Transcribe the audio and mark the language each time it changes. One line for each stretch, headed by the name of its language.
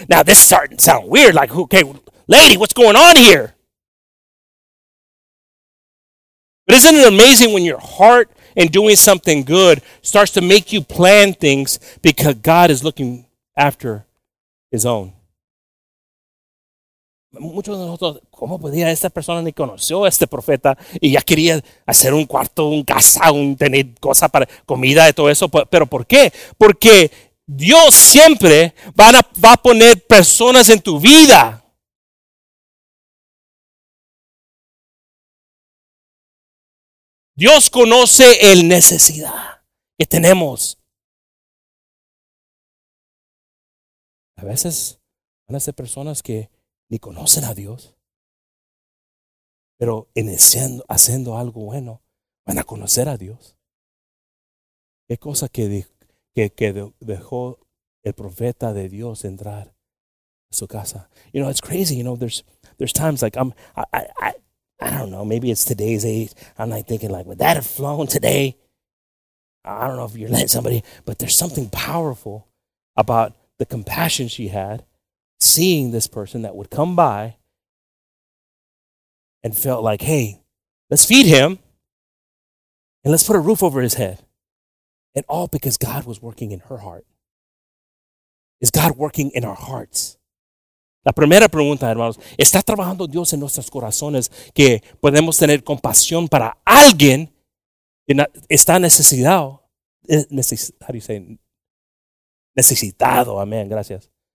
English: Now this is starting to sound weird. Like, okay, lady, what's going on here? But isn't it amazing when your heart in doing something good starts to make you plan things because God is looking after his own?
Spanish: Muchos de nosotros, ¿cómo podía esta persona ni conoció a este profeta y ya quería hacer un cuarto, un casa, un tener cosa para comida y todo eso? ¿Pero por qué? Porque Dios siempre va a poner personas en tu vida. Dios conoce el necesidad que tenemos. A veces van a ser personas que ni conocen a Dios, pero en haciendo algo bueno, van a conocer a Dios. ¿Qué cosa que dejó el profeta de Dios entrar a su casa?
English: You know, it's crazy. You know, there's times like I don't know, maybe it's today's age. I'm like thinking like, would that have flown today? I don't know if you're letting somebody, but there's something powerful about the compassion she had seeing this person that would come by and felt like, hey, let's feed him and let's put a roof over his head And all because God was working in her heart. Is God working in our hearts?
Spanish: La primera pregunta, hermanos, ¿está trabajando Dios en nuestros corazones que podemos tener compasión para alguien que está necesitado? Necesitado, amén, gracias.